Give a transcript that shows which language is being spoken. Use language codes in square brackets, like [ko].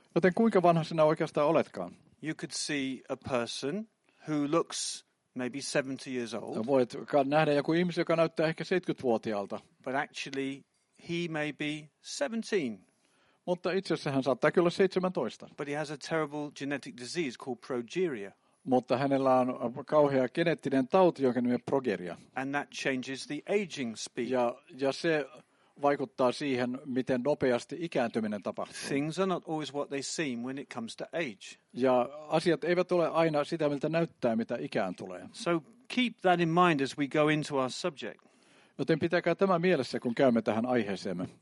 [fi] Joten kuinka vanha sinä oikeastaan oletkaan? [en] You could see a person who looks maybe 70 years old. [fi] Voit nähdä joku ihmisen, joka näyttää ehkä 70-vuotiaalta. [en] But actually he may be 17. [fi] Mutta itse asiassa hän saattaa kyllä 17. [en] But he has a terrible genetic disease called progeria. [fi] Mutta hänellä on kauhea geneettinen tauti, jonka nimi on progeria. [en] And that changes the aging speed. [fi] Ja se vaikuttaa siihen, miten nopeasti ikääntyminen tapahtuu. [en] Things are not always what they seem when it comes to age. [fi] Ja asiat eivät ole aina sitä, miltä näyttää, mitä ikään tulee. [en] So keep that in mind as we go into our subject. [fi] Joten pitäkää tämä mielessä, kun käymme tähän aiheeseemme.